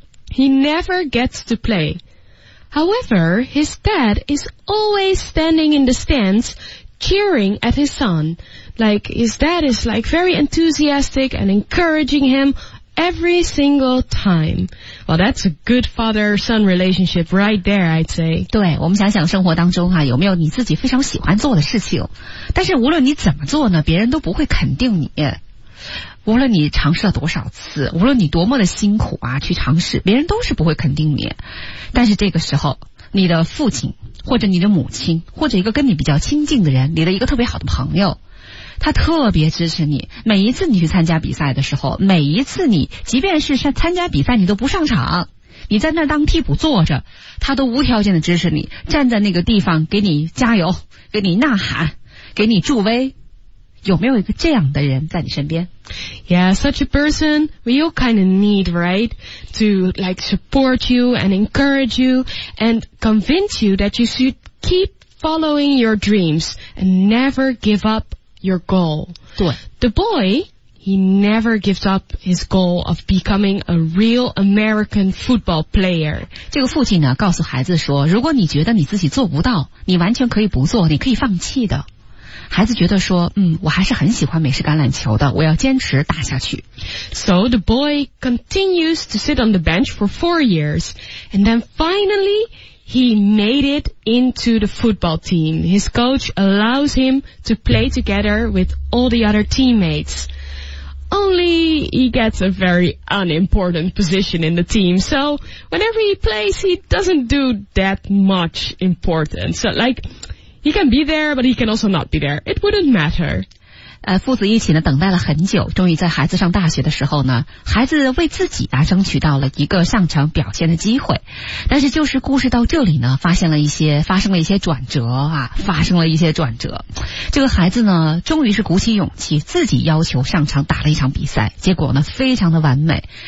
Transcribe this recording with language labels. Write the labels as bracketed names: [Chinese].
[English] He never gets to play. However, his dad is always standing in the stands, cheering at his son. Like, his dad is like very enthusiastic and encouraging him every single time. Well, that's a good father-son relationship right there, I'd say. [Chinese] 对，我们想想生活当中啊，有没有你自己非常喜欢做的事情，但是无论你怎么做呢，别人都不会肯定你。无论你尝试了多少次，无论你多么的辛苦啊，去尝试，别人都是不会肯定你。但是这个时候，你的父亲，或者你的母亲，或者一个跟你比较亲近的人，你的一个特别好的朋友，他特别支持你，每一次你去参加比赛的时候，每一次你即便是参加比赛你都不上场，你在那当替补坐着，他都无条件的支持你，站在那个地方给你加油，给你呐喊，给你助威。有没有一个这样的人在你身边？ [English] Yeah, such a person we all kind of need, right? To like support you and encourage you and convince you that you should keep following your dreams and never give upyour goal. [Chinese] 对。 [English] The boy, he never gives up his goal of becoming a real American football player. [Chinese] 这个父亲呢告诉孩子说，如果你觉得你自己做不到，你完全可以不做，你可以放弃的。孩子觉得说，我还是很喜欢美式橄榄球的，我要坚持打下去。 [English] So the boy continues to sit on the bench for 4 years, and then finally he made it into the football team. His coach allows him to play together with all the other teammates. Only he gets a very unimportant position in the team. So whenever he plays, he doesn't do that much important. So like, he can be there, but he can also not be there. It wouldn't matter. [Chinese] 父子一起呢等待了很久，终于在孩子上大学的时候呢，孩子为自己啊争取到了一个上场表现的机会。但是就是故事到这里呢，发生了一些转折。这个孩子呢终于是鼓起勇气自己要求上场打了一场比赛，结果呢非常的完美。